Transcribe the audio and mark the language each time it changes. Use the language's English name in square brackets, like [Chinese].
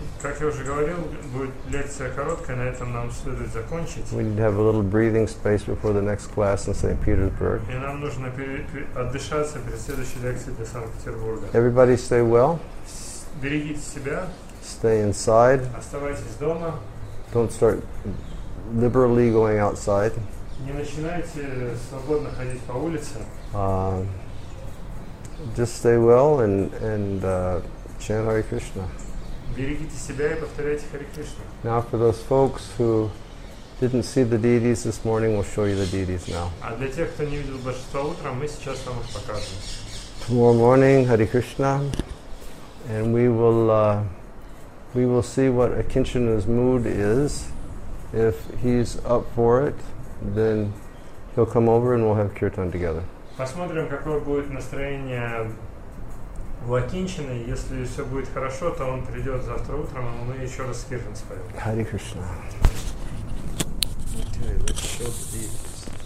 [Russian] Как я уже говорил, будет лекция короткая, на этом нам следует закончить. [English] We need to have a little breathing space before the next class in St. Petersburg. [Russian] И нам нужно отдышаться перед следующей лекцией для Санкт-Петербурга. [English] Everybody stay well. [Russian] Берегите себя. [English] Stay inside. [Russian] Оставайтесь дома. [English] Don't start liberally going outside. [Russian] Не начинайте свободно ходить по улице. [English] Just stay well and chant Hare Krishna. [Russian] Берегите себя и повторяйте Харе Кришна. [English] Now for those folks who didn't see the deities this morning, we'll show you the deities now. [Russian] А для тех, кто не видел Божество утром, мы сейчас вам их покажем. [English] Tomorrow morning, Hare Krishna, and we will see what Akinchana's mood is. If he's up for it, then he'll come over and we'll have kirtan together. [Russian] Посмотрим, какое будет настроение у Акинчины. Если все будет хорошо, то он придет завтра утром, и мы еще раз кирпин споем. [English] Hare Krishna. Okay, let's show the deities.